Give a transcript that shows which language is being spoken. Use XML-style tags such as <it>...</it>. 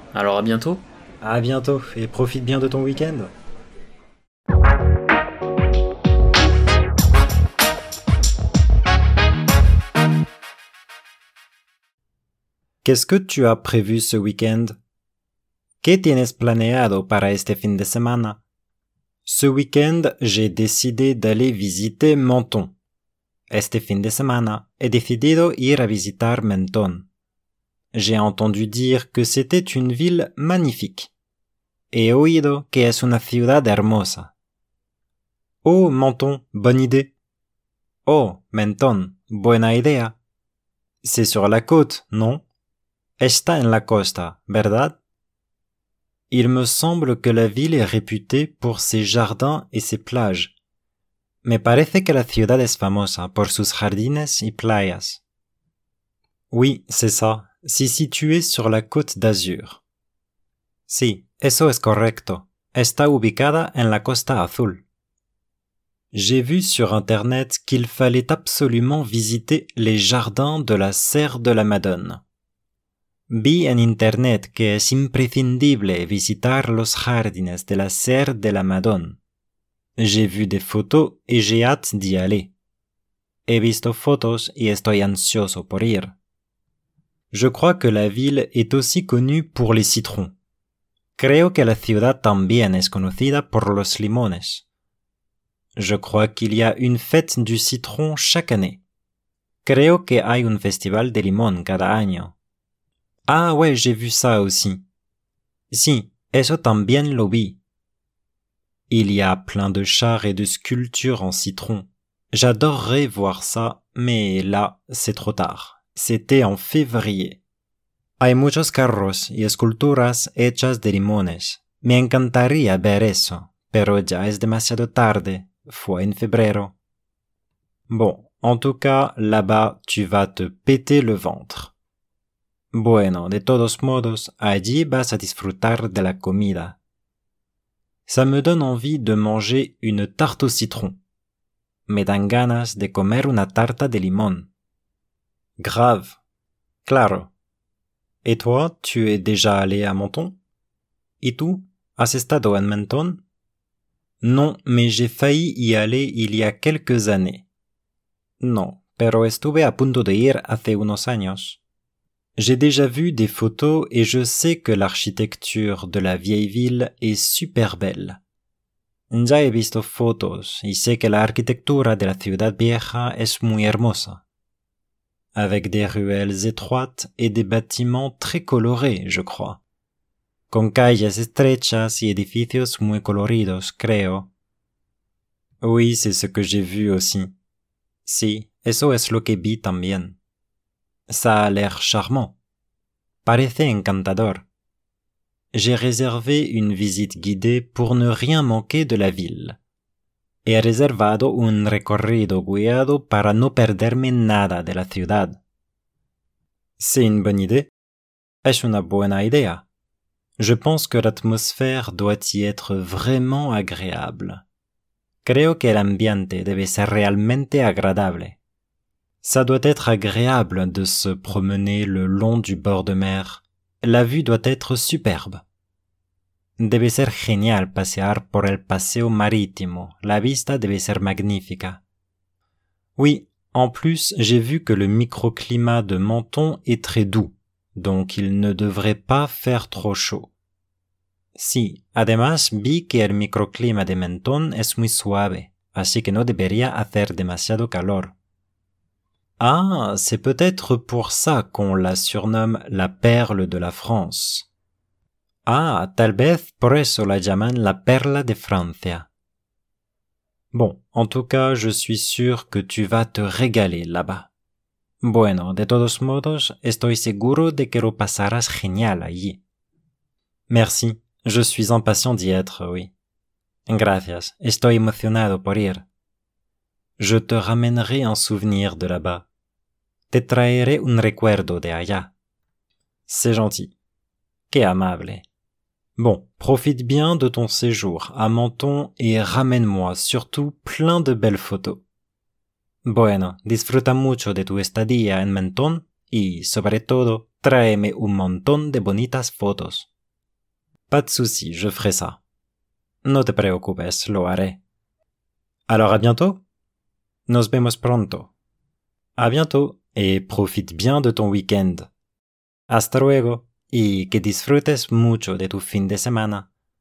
<fr>Alors à bientôt. À bientôt, et profite bien de ton week-end. Qu'est-ce que tu as prévu ce week-end?</fr> <es>¿Qué tienes planeado para este fin de semana?</es> <fr>Ce week-end, j'ai décidé d'aller visiter Menton.</fr> <es>Este fin de semana, he decidido ir a visitar Menton.</es> <fr>J'ai entendu dire que c'était une ville magnifique.</fr> <es>He oído que es una ciudad hermosa.</es> <fr>Oh, Menton, bonne idée.</fr> <es>Oh, Menton, buena idea.</es> <fr>C'est sur la côte, non?</fr> <es>Está en la costa, ¿verdad?</es> <fr>Il me semble que la ville est réputée pour ses jardins et ses plages.</fr> <es>Me parece que la ciudad es famosa por sus jardines y playas.</es> <fr>Oui, c'est ça. C'est situé sur la côte d'Azur.</fr> <es>Sí, eso es correcto. Está ubicada en la costa azul.</es> <fr>J'ai vu sur internet qu'il fallait absolument visiter les jardins de la Serre de la Madone.</fr> <es>Vi en internet que es imprescindible visitar los jardines de la Serre de la Madone.</es> <fr>J'ai vu des photos et j'ai hâte d'y aller.</fr> <es>He visto fotos y estoy ansioso por ir.</es> <fr>Je crois que la ville est aussi connue pour les citrons.</fr> <es>Creo que la ciudad también es conocida por los limones.</es> <fr>Je crois qu'il y a une fête du citron chaque année.</fr> <es>Creo que hay un festival de limón cada año.</es> <fr>Ah ouais, j'ai vu ça aussi.</fr> <es>Si, eso también lo vi.</es> <fr>Il y a plein de chars et de sculptures en citron. J'adorerais voir ça, mais là, c'est trop tard. C'était en février.</fr> <es>Hay muchos carros y esculturas hechas de limones. Me encantaría ver eso, pero ya es demasiado tarde. Fue en febrero.</es> <fr>Bon, en tout cas, là-bas, tu vas te péter le ventre.</fr> <es>Bueno, de todos modos, allí vas a disfrutar de la comida.</es> <fr>Ça me donne envie de manger une tarte au citron.</fr> <es>Me dan ganas de comer una tarta de limón.</es> <fr>Grave. Claro. Et toi, tu es déjà allé à Menton?</fr> <es>Y tú, ¿Has estado en Mentón?</es> <fr>Non, mais j'ai failli y aller il y a quelques années.</fr> <es>Non, pero estuve a punto de ir hace unos años.</es> <fr>J'ai déjà vu des photos et je sais que l'architecture de la vieille ville est super belle.</fr> <es>Ya he visto fotos y sé que la arquitectura de la ciudad vieja es muy hermosa.</es> <fr>Avec des ruelles étroites et des bâtiments très colorés, je crois.</fr> <es>Con calles estrechas y edificios muy coloridos, creo.</es> <fr>Oui, c'est ce que j'ai vu aussi.</fr> <es>Sí, eso es lo que vi también.</es> <fr>Ça a l'air charmant.</fr> <es>Parece encantador.</es> <fr>J'ai réservé une visite guidée pour ne rien manquer de la ville.</fr> <es>He reservado un recorrido guiado para no perderme nada de la ciudad.</es> <fr>C'est une bonne idée.</fr> <es>Es una buena idea.</es> <fr>Je pense que l'atmosphère doit y être vraiment agréable.</fr> <es>Creo que el ambiente debe ser realmente agradable.</es> <fr>Ça doit être agréable de se promener le long du bord de mer. La vue doit être superbe.</fr> <es>Debe ser genial pasear por el paseo marítimo. La vista debe ser magnífica.</es> <fr>Oui, en plus, j'ai vu que le microclimat de Menton est très doux, donc il ne devrait pas faire trop chaud.</fr> <es>Sí, además vi que el microclima de Menton es muy suave, así que no debería hacer demasiado calor.</es> <fr>Ah, c'est peut-être pour ça qu'on la surnomme la perle de la France.</fr> <es>Ah, tal vez por eso la llaman la perla de Francia.</es> <fr>Bon, en tout cas, je suis sûr que tu vas te régaler là-bas.</fr> <es>Bueno, de todos modos, estoy seguro de que lo pasarás genial allí.</es> <fr>Merci, je suis impatient d'y être, oui.</fr> <es>Gracias, estoy emocionado por ir.</es> <fr>Je te ramènerai un souvenir de là-bas.</fr> <es>Te traeré un recuerdo de allá.</es> <fr>C'est gentil.</fr> <es>Qué amable.</es> <fr>Bon, profite bien de ton séjour à Menton et ramène-moi surtout plein de belles photos.</fr> <es>Bueno, disfruta mucho de tu estadía en Menton y, sobre todo, tráeme un montón de bonitas fotos.</es> <fr>Pas de souci, je ferai ça.</fr> <es>No te preocupes, lo haré.</es> <fr>Alors à bientôt.</fr> <es>Nos vemos pronto.</es> <fr>A bientôt et profite bien de ton week-end.</fr> <es>Hasta luego y que disfrutes mucho de tu fin de semana.</es>